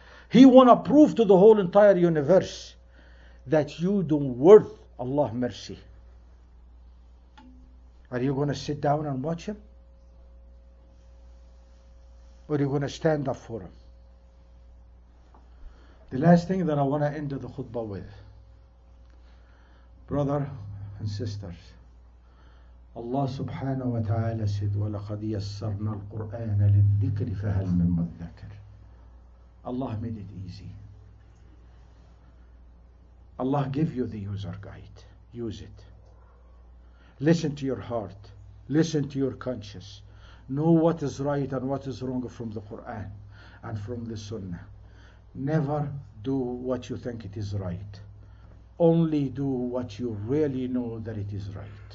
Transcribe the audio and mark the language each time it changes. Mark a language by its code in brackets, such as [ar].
[en] He want to prove to the whole entire universe that you don't worth Allah's mercy. Are you going to sit down and watch him? Or are you going to stand up for him? The last thing that I want to end the khutbah with. Brother and sisters. Allah subhanahu wa ta'ala said, [ar] وَلَقَدْ يَسَّرْنَا الْقُرْآنَ لِلذِّكْرِ فَهَلْ مِنْ مُذَّكَرِ. [en] Allah made it easy. Allah gave you the user guide. Use it. Listen to your heart. Listen to your conscience. Know what is right and what is wrong from the Quran and from the Sunnah. Never do what you think it is right. Only do what you really know that it is right.